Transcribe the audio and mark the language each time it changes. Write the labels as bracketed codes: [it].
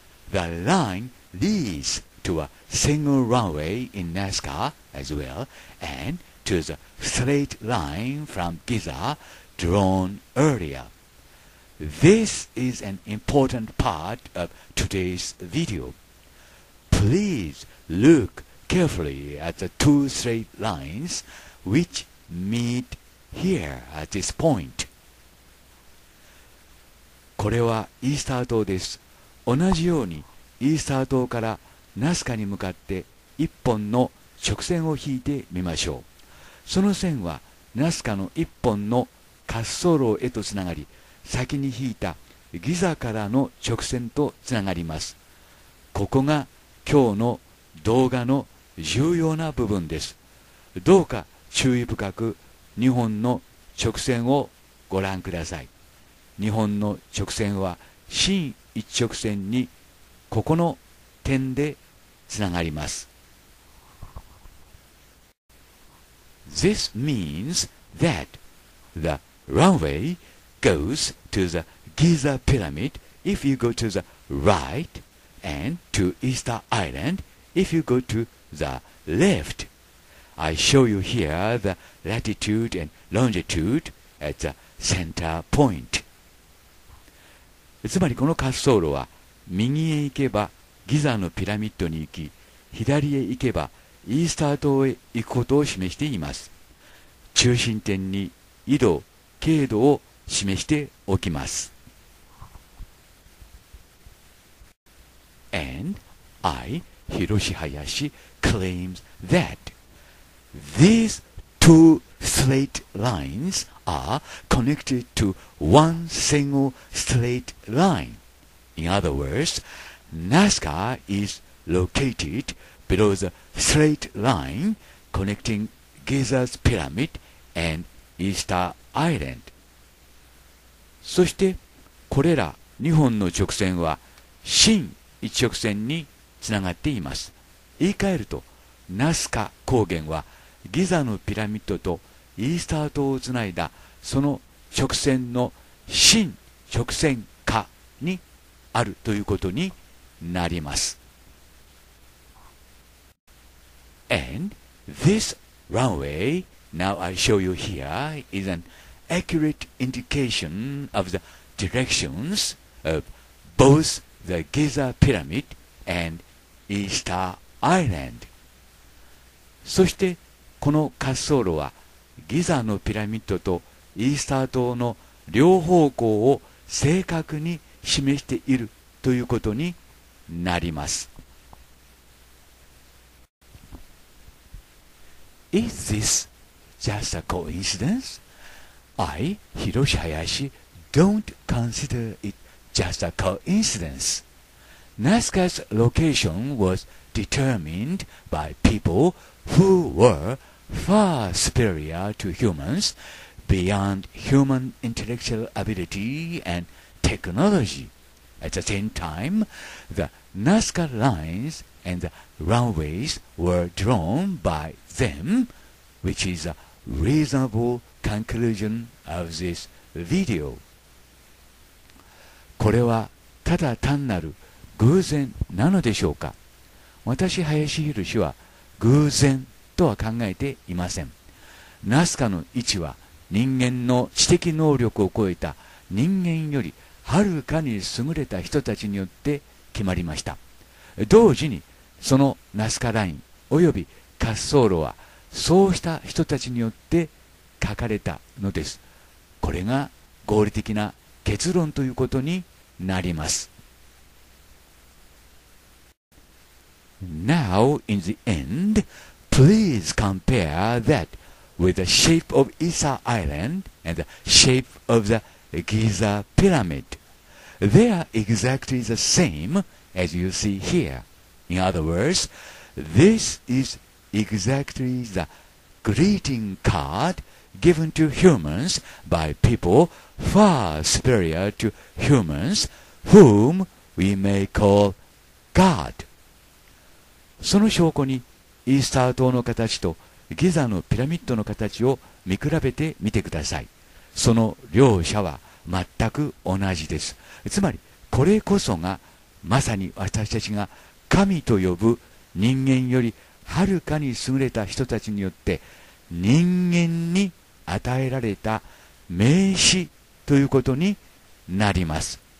[en] The line leads to a single runway in Nazca as well, and to the straight line from Giza drawn earlier. This is an important part of today's video. Please look carefully at the two straight lines which meet here at this point. [ja] これはイースター島です。同じようにイースター島からナスカに向かって一本の直線を引いてみましょう。その線はナスカの一本の滑走路へとつながり、先に引いたギザからの直線とつながります。ここが今日の動画の重要な部分です。どうか注意深く日本の直線をご覧ください。日本の直線は真一直線にここの点でつながります。 [en] This means that the runway goes to the Giza pyramid if you go to the right. And to Easter Island if you go to the left. I show you here the latitude and longitude at the center point. [ja] つまりこの滑走路は右へ行けばギザのピラミッドに行き、左へ行けばイースター島へ行くことを示しています。中心点に緯度、経度を示しておきます。 [en] And I, Hiroshi Hayashi, claims that these two straight lines are connected to one single straight line. In other words, Nazca is located below the straight line connecting Giza's pyramid and Easter Island. [ja] そしてこれら2本の直線は真一直線につながっています。言い換えるとナスカ高原はギザのピラミッドとイースター島をつないだその直線の真直線下にあるということになります。 [en] And this runway now I show you here is an accurate indication of the directions of bothThe Giza Pyramid and Easter Island. [ja] そしてこの滑走路はギザのピラミッドとイースター島の両方向を正確に示しているということになります。 [en] Is this just a coincidence? I, Hiroshi Hayashi, don't consider it just a coincidence. Nasuka's location was determined by people who were far superior to humans beyond human intellectual ability and technology. At the same time, the Nazca lines and the runways were drawn by them, which is a reasonable conclusion of this video. [ja] これはただ単なる偶然なのでしょうか。私林浩氏は偶然とは考えていません。ナスカの位置は人間の知的能力を超えた人間よりはるかに優れた人たちによって決まりました。同時にそのナスカラインおよび滑走路はそうした人たちによって書かれたのです。これが合理的な結論ということになります。 [en] Now in the end, please compare that with the shape of Easter Island and the shape of the Giza Pyramid. They are exactly the same as you see here. In other words, this is exactly the greeting card given to humans by people far superior to humans whom we may call God. [ja] その証拠にイースター島の形とギザのピラミッドの形を見比べてみてください。その両者は全く同じです。つまりこれこそがまさに私たちが神と呼ぶ人間よりはるかに優れた人たちによって人間に与えられた名詞ということになります。